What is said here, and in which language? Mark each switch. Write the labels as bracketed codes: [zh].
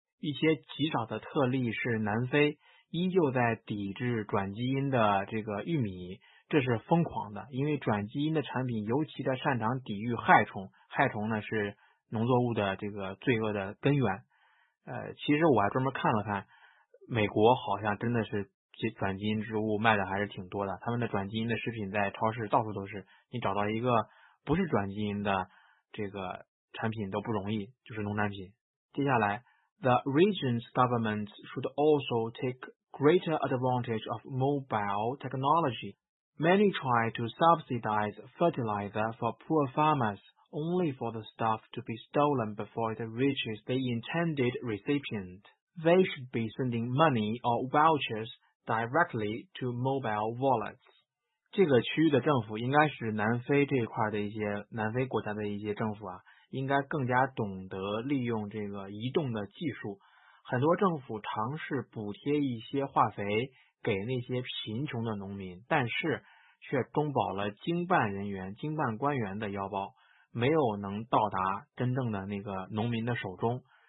[zh] 一些极少的特例是南非依旧在抵制转基因的这个玉米，这是疯狂的，因为转基因的产品尤其的擅长抵御害虫，害虫呢是农作物的这个罪恶的根源。其实我还专门看了看，美国好像真的是转基因植物卖的还是挺多的，他们的转基因的食品在超市到处都是，你找到一个不是转基因的这个产品都不容易，就是农产品。接下来 [en] The region's governments should also take greater advantage of mobile technology. Many try to subsidize fertilizer for poor farmers only for the stuff to be stolen before it reaches the intended recipient. They should be sending money or vouchersdirectly to mobile wallets. [zh] 这个区域的政府应该是南非这一块的一些南非国家的一些政府啊，应该更加懂得利用这个移动的技术。很多政府尝试补贴一些化肥给那些贫穷的农民，但是却中饱了经办人员经办官员的腰包，没有能到达真正的那个农民的手中。